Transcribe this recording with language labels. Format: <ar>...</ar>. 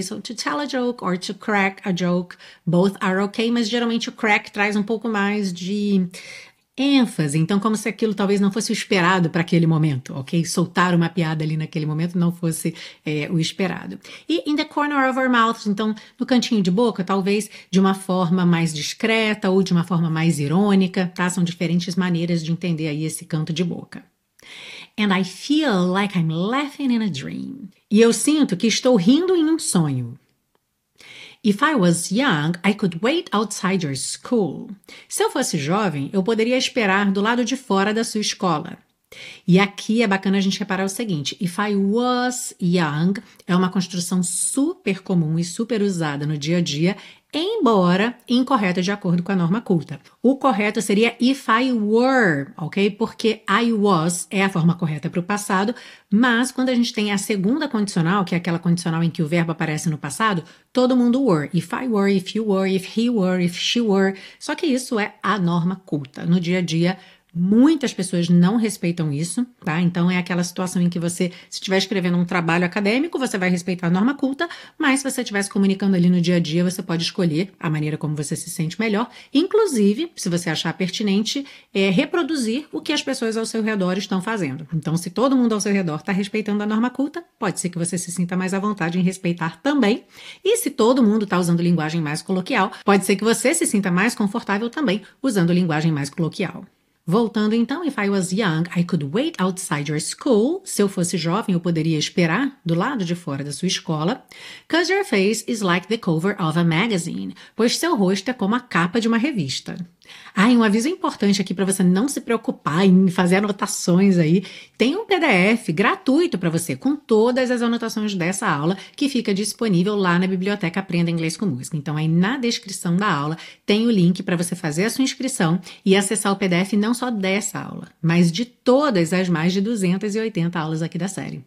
<en>So to tell a joke or to crack a joke, both are okay,</en> <pt>mas geralmente o crack traz um pouco mais de ênfase, então como se aquilo talvez não fosse o esperado para aquele momento, ok? Soltar uma piada ali naquele momento não fosse o esperado. E</pt> <en>in the corner of our mouth,</en> <pt>então no cantinho de boca, talvez de uma forma mais discreta ou de uma forma mais irônica, tá? São diferentes maneiras de entender aí esse canto de boca.</pt> <en>And I feel like I'm laughing in a dream.</en> <pt>E eu sinto que estou rindo em um sonho.</pt> <en>If I was young, I could wait outside your school.</en> <pt>Se eu fosse jovem, eu poderia esperar do lado de fora da sua escola. E aqui é bacana a gente reparar o seguinte,</pt> <en>if I was young</en> <pt>é uma construção super comum e super usada no dia a dia, embora incorreta de acordo com a norma culta. O correto seria</pt> <en>if I were,</en> <pt>ok? Porque</pt> <en>I was</en> <pt>é a forma correta para o passado, mas quando a gente tem a segunda condicional, que é aquela condicional em que o verbo aparece no passado, todo mundo were.</pt> <en>If I were, if you were, if he were, if she were.</en> <pt>Só que isso é a norma culta no dia a dia. Muitas pessoas não respeitam isso, tá? Então, é aquela situação em que você, se estiver escrevendo um trabalho acadêmico, você vai respeitar a norma culta, mas se você estiver se comunicando ali no dia a dia, você pode escolher a maneira como você se sente melhor, inclusive, se você achar pertinente, reproduzir o que as pessoas ao seu redor estão fazendo. Então, se todo mundo ao seu redor está respeitando a norma culta, pode ser que você se sinta mais à vontade em respeitar também. E se todo mundo está usando linguagem mais coloquial, pode ser que você se sinta mais confortável também usando linguagem mais coloquial. Voltando então,</pt> <en>if I was young, I could wait outside your school.</en> <pt>Se eu fosse jovem, eu poderia esperar do lado de fora da sua escola.</pt> <en>'Cause your face is like the cover of a magazine.</en> <pt>Pois seu rosto é como a capa de uma revista. Ah, e um aviso importante aqui para você não se preocupar em fazer anotações aí. Tem um PDF gratuito para você com todas as anotações dessa aula que fica disponível lá na biblioteca Aprenda Inglês com Música. Então, aí na descrição da aula tem o link para você fazer a sua inscrição e acessar o PDF não só dessa aula, mas de todas as mais de 280 aulas aqui da série.</pt>